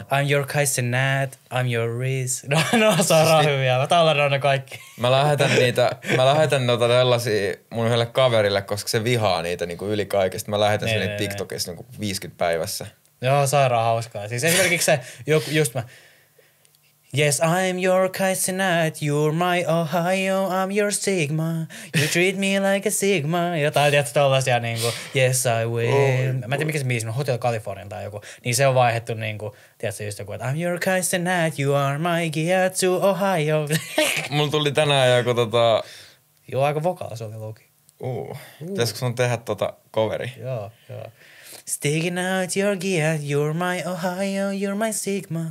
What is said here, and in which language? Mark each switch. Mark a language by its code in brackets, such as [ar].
[en] I'm your Kaisenat. I'm your Riz. [fi] No se on raa hyviä. Mä tallennan ne kaikki. Mä lähetän noita tällaisia mun yhdelle kaverille, koska se vihaa niitä niinku yli kaikesta. Mä lähetän sen niitä TikTokissa niinku 50 päivässä. Joo, sairaan hauskaa. Siis esimerkiksi se, just mä. [en] Yes, I'm your Kaisenat, you're my Ohio, I'm your Sigma, you treat me like a Sigma. [fi] Jotain tietysti tollasia niinku, [en] yes I will. [fi] Mä en tiedä mikä se biisi, Hotel California tai joku. Niin se on vaihdettu niinku, tietysti just joku, että [en] I'm your Kaisenat, you are my Giatsu, Ohio. [fi] Mulla tuli tänään joku tota... Joo, aika vokaa se oli luki. Pitäisikö sun tehdä tota coveri? Joo, joo. [en] Sticking out your gear, you're my Ohio, you're my Sigma.